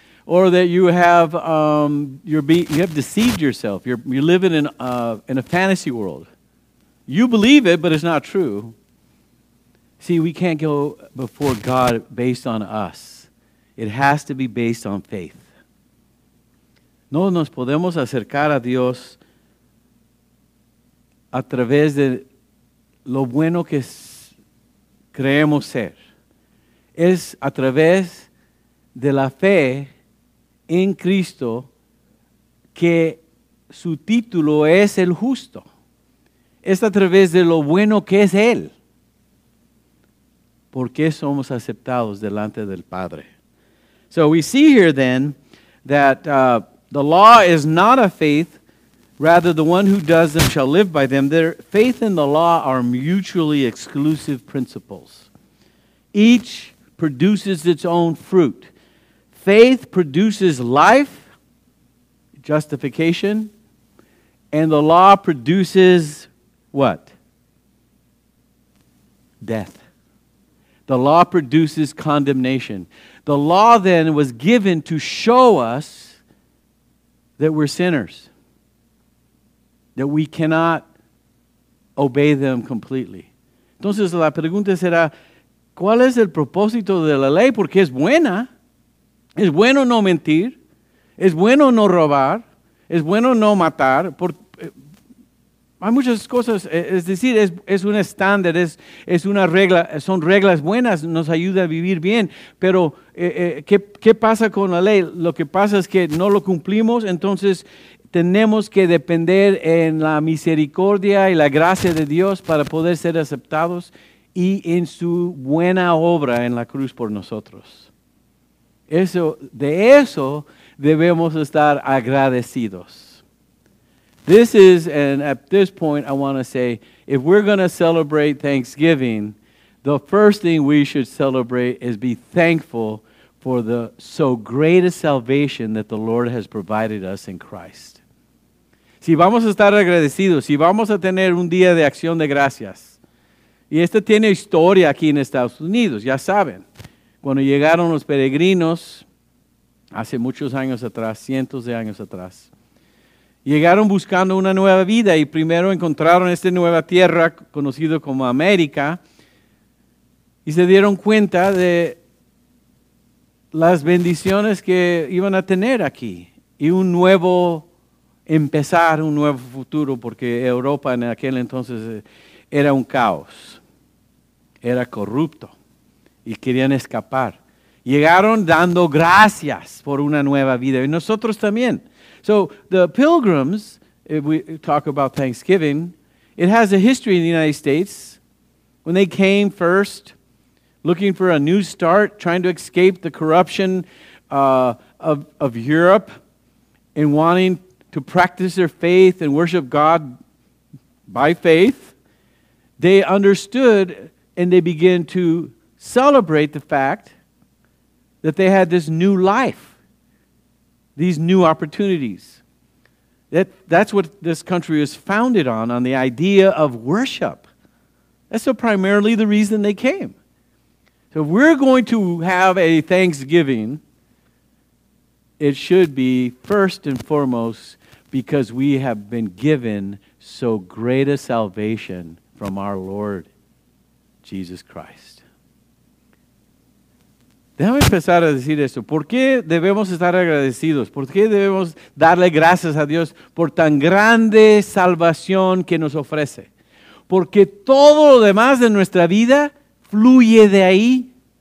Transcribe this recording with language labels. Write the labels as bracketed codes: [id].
[en] Or that you have you have deceived yourself. You're living in a fantasy world. You believe it, but it's not true. See, we can't go before God based on us. It has to be based on faith. [es] No nos podemos acercar a Dios a través de lo bueno que creemos ser. Es a través de la fe en Cristo, que su título es el justo. Es a través de lo bueno que es Él. Porque somos aceptados delante del Padre. [en] So we see here then that the law is not a faith. Rather, the one who does them shall live by them. Their faith and the law are mutually exclusive principles. Each produces its own fruit. Faith produces life, justification, and the law produces what? Death. The law produces condemnation. The law then was given to show us that we're sinners, that we cannot obey them completely. [es] Entonces la pregunta será, ¿cuál es el propósito de la ley? Porque es buena. Es bueno no mentir, es bueno no robar, es bueno no matar. Hay muchas cosas, es decir, es un estándar, es una regla, son reglas buenas, nos ayuda a vivir bien. Pero, ¿qué pasa con la ley? Lo que pasa es que no lo cumplimos, entonces tenemos que depender en la misericordia y la gracia de Dios para poder ser aceptados y en su buena obra en la cruz por nosotros. Eso, de eso debemos estar agradecidos. [en] This is, and at this point, I want to say, if we're going to celebrate Thanksgiving, the first thing we should celebrate is be thankful for the so great a salvation that the Lord has provided us in Christ. [es] Si vamos a estar agradecidos, si vamos a tener un día de acción de gracias. Y esto tiene historia aquí en Estados Unidos, ya saben. Cuando llegaron los peregrinos, hace muchos años atrás, cientos de años atrás, llegaron buscando una nueva vida y primero encontraron esta nueva tierra conocida como América y se dieron cuenta de las bendiciones que iban a tener aquí y un nuevo empezar, un nuevo futuro, porque Europa en aquel entonces era un caos, era corrupto y querían escapar. Llegaron dando gracias por una nueva vida y nosotros también. [en] So the pilgrims, if we talk about Thanksgiving, it has a history in the United States. When they came first, looking for a new start, trying to escape the corruption of Europe and wanting to practice their faith and worship God by faith, they understood and they began to celebrate the fact that they had this new life. These new opportunities. That's what this country is founded on the idea of worship. That's so primarily the reason they came. So if we're going to have a Thanksgiving, it should be first and foremost because we have been given so great a salvation from our Lord Jesus Christ. [es] Déjame empezar a decir esto. ¿Por qué debemos estar agradecidos? ¿Por qué debemos darle gracias a Dios por tan grande salvación que nos ofrece? Porque todo lo demás de nuestra vida fluye de ahí.